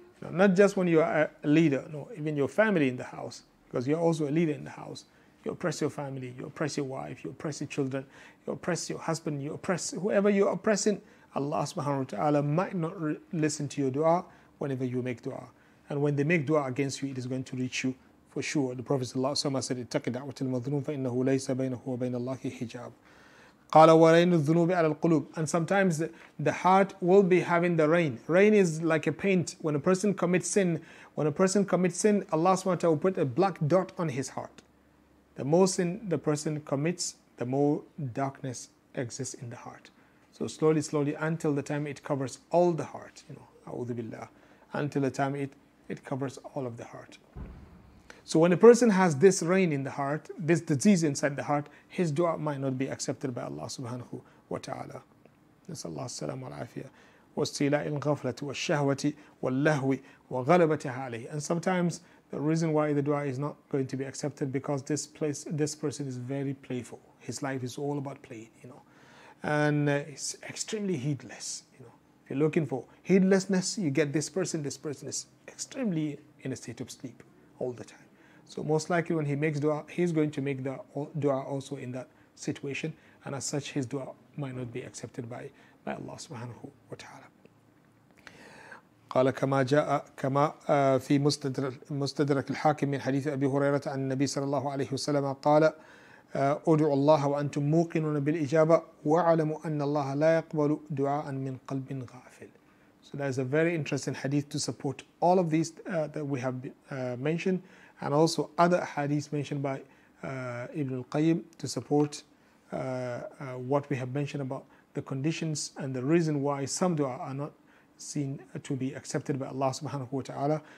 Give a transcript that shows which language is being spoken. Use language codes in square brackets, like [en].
[en] Not just when you're a leader, no, even your family in the house, because you're also a leader in the house. You oppress your family, you oppress your wife, you oppress your children, you oppress your husband, you oppress whoever you're oppressing. Allah subhanahu wa ta'ala might not listen to your dua whenever you make dua. And when they make dua against you, it is going to reach you for sure. [ar] The Prophet said, اتَّقِ دَعْوَةِ الْمَظْلُومِ فَإِنَّهُ لَيْسَ بَيْنَهُ وَبَيْنَ اللَّهِ حِجَابٌ. [en] And sometimes the heart will be having the rain. Rain is like a paint. When a person commits sin, Allah subhanahu wa ta'ala will put a black dot on his heart. The more sin the person commits, the more darkness exists in the heart. So slowly, slowly, until the time it covers all the heart, you know, a'udhu billah, until the time it covers all of the heart. So when a person has this rain in the heart, this disease inside the heart, his dua might not be accepted by Allah subhanahu wa ta'ala. [ar] نسأل الله السلام والعافية واستيلاء الغفلة والشهوة واللهو وغلبتها عليه. [en] And sometimes the reason why the dua is not going to be accepted because this person is very playful. His life is all about playing, you know. And it's extremely heedless, you know. If you're looking for heedlessness, you get this person is extremely in a state of sleep all the time. So most likely when he makes dua, he's going to make the dua also in that situation. And as such, his dua might not be accepted by Allah subhanahu wa ta'ala. [ar] قال كما جاء كما في مستدرك الحاكم من حديث أبي هريرة عن النبي صلى الله عليه وسلم قال أدعوا الله وأنتم موقنون بالإجابة واعلموا أن الله لا يقبل دعاء من قلب غافل. [en] So that is a very interesting hadith to support all of these that we have mentioned, and also other hadiths mentioned by Ibn Al Qayyim to support what we have mentioned about the conditions and the reason why some dua are not seen to be accepted by Allah subhanahu wa ta'ala.